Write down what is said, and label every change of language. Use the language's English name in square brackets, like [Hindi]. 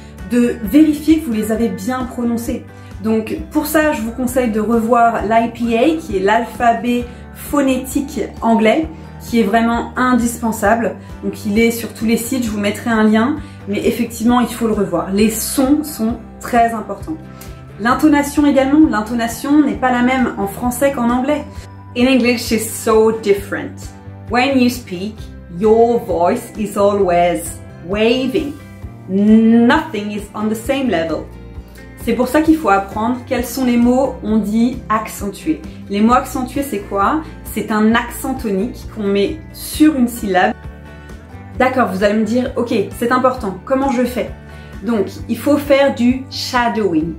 [French] De vérifier que vous les avez bien prononcés. Donc pour ça, je vous conseille de revoir l'IPA, qui est l'alphabet phonétique anglais, qui est vraiment indispensable. Donc il est sur tous les sites, je vous mettrai un lien, mais effectivement, il faut le revoir. Les sons sont très importants. L'intonation également, l'intonation n'est pas la même en français qu'en anglais. [English] In English, it's so different. When you speak, your voice is always waving. Nothing is on the same level. [French] C'est pour ça qu'il faut apprendre quels sont les mots on dit accentués. Les mots accentués, c'est quoi? C'est un accent tonique qu'on met sur une syllabe. D'accord, vous allez me dire, ok, c'est important, comment je fais? Donc, il faut faire du shadowing.